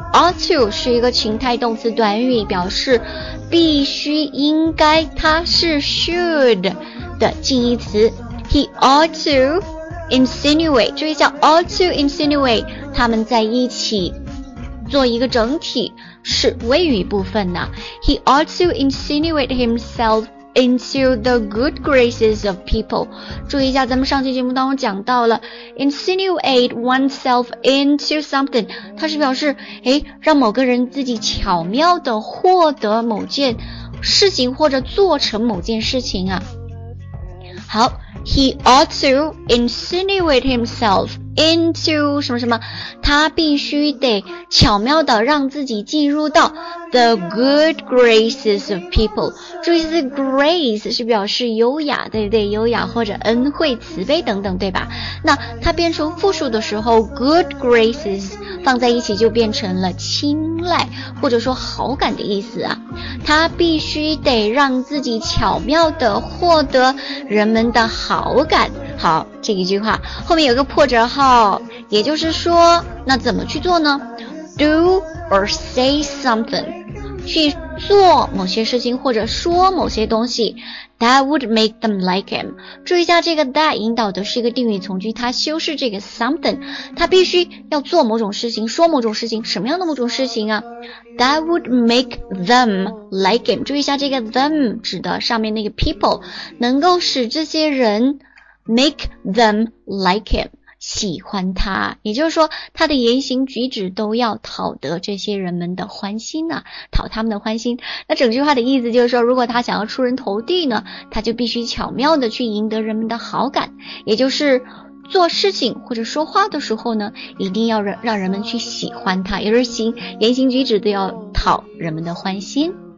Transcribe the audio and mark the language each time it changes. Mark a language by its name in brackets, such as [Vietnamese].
[Chinese] Ought to 是一个情态动词短语，表示必须、应该，它是 should 的近义词。 He ought to insinuate，注意一下 ought to insinuate，他们在一起做一个整体，是谓语部分呢。 [English] He ought to insinuate himself into the good graces of people。 [Chinese] 注意一下，咱们上期节目当中讲到了 insinuate oneself into something，它是表示哎，让某个人自己巧妙地获得某件事情或者做成某件事情啊。好。 He ought to insinuate himself into 什么什么，他必须得巧妙地让自己进入到 the good graces of people。注意是 grace 是表示优雅，对不对？优雅或者恩惠、慈悲等等，对吧？那它变成复数的时候 good graces 放在一起就变成了青睐或者说好感的意思啊。他必须得让自己巧妙地获得人们的好感。好，这一句话后面有个破折号，也就是说那怎么去做呢？ [English] Do or say something，去做某些事情或者说某些东西， That would make them like him。 [Chinese] 注意一下这个 that 引导的是一个定语从句，它修饰这个 something， 它必须要做某种事情，说某种事情，什么样的某种事情啊？ [English] That would make them like him。 [Chinese] 注意一下这个 them 指的上面那个 people， 能够使这些人 make them like him，喜欢他，也就是说他的言行举止都要讨得这些人们的欢心啊，讨他们的欢心。那整句话的意思就是说，如果他想要出人头地呢，他就必须巧妙的去赢得人们的好感，也就是做事情或者说话的时候呢，一定要让人们去喜欢他，也就是行言行举止都要讨人们的欢心。